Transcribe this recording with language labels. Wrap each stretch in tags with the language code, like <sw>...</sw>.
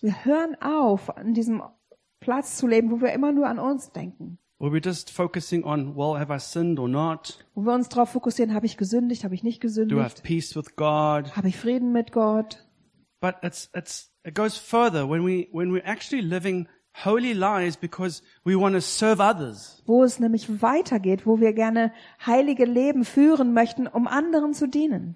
<de>Wir hören auf, an diesem Platz zu leben, wo wir immer nur an uns denken.</de> <en>Where we're just focusing on, well, have I sinned or not?</en> <de>Wo wir uns darauf fokussieren, habe ich gesündigt, habe ich nicht gesündigt?</de> <en>Do I have peace with God?</en> <de>Habe ich Frieden mit Gott?</de> <en>But it goes further when we're actually living holy lives because we want to serve others.</en> <de>Wo es nämlich weitergeht, wo wir gerne heilige Leben führen möchten, um anderen zu dienen.</de>